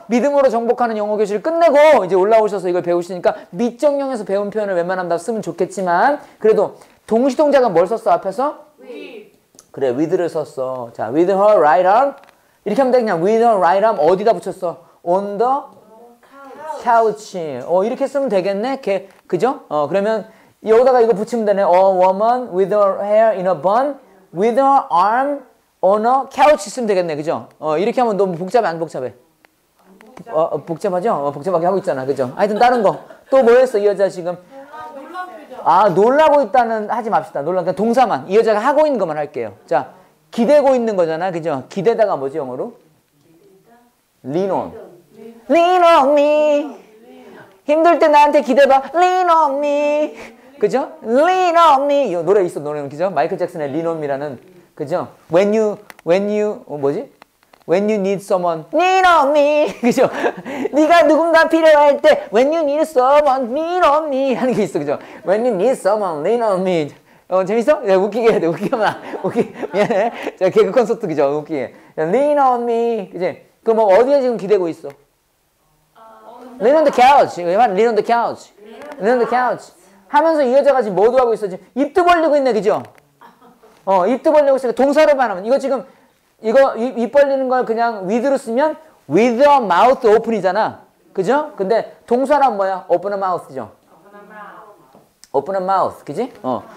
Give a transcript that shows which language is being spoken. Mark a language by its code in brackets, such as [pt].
[ko] 믿음으로 정복하는 영어 교실을 끝내고 이제 올라오셔서 이걸 배우시니까 미정령에서 배운 표현을 웬만하면 다 쓰면 좋겠지만 그래도 동시동작은 뭘 썼어, 앞에서? [en] With. [ko] 그래, with를 썼어. 자, [en] with her right arm. [ko] 이렇게 하면 되겠냐? [en] With her right arm [ko] 어디다 붙였어? [en] On the couch. [ko] 이렇게 쓰면 되겠네? 그죠? 그러면 여기다가 이거 붙이면 되네. [en] A woman with her hair in a bun, with her arm on a couch [ko] 쓰면 되겠네, 그죠? 이렇게 하면 너무 복잡해, 안 복잡해? 복잡하죠? 복잡하게 하고 있잖아, 그죠? 하여튼 다른 거. 또 뭐 했어, 이 여자 지금? 놀라고 있다는 하지 맙시다. 그러니까 동사만. 이 여자가 하고 있는 것만 할게요. 자, 기대고 있는 거잖아, 그죠? 기대다가 뭐지, 영어로? [en] Lean on. Lean on me. [ko] 힘들 때 나한테 기대봐. [en] Lean on me. [ko] 그죠? Lean on me. 이 노래 있어, 노래는. 그죠? 마이클 잭슨의 Lean on me라는. 그죠? [en] When you need someone. [ko] Lean on me. 그죠? 네가 누군가 필요할 때 [en] When you need someone. Lean on me. [ko] 하는 게 있어. 그죠? When you need someone. Lean on me. 재밌어? 야, 웃기게 해야 돼. 미안해. 자, 개그 콘서트. 그죠? 웃기게. 야, Lean on me. 그지? 그 뭐 어디에 지금 기대고 있어? [en] Lean on the couch. Lean on the couch. Lean on the couch. [ko] 하면서 이 여자가 지금 뭐도 하고 있어? 지금 입도 벌리고 있네, 그죠? 어, 입도 벌리고 있으니까 동사로만 하면. 이거 지금, 이거 입 벌리는 걸 그냥 with로 쓰면 [en] with a mouth open [ko] 이잖아. 그죠? 근데 동사란 뭐야? [en] open a mouth [ko] 죠. open a mouth. 그지? 어.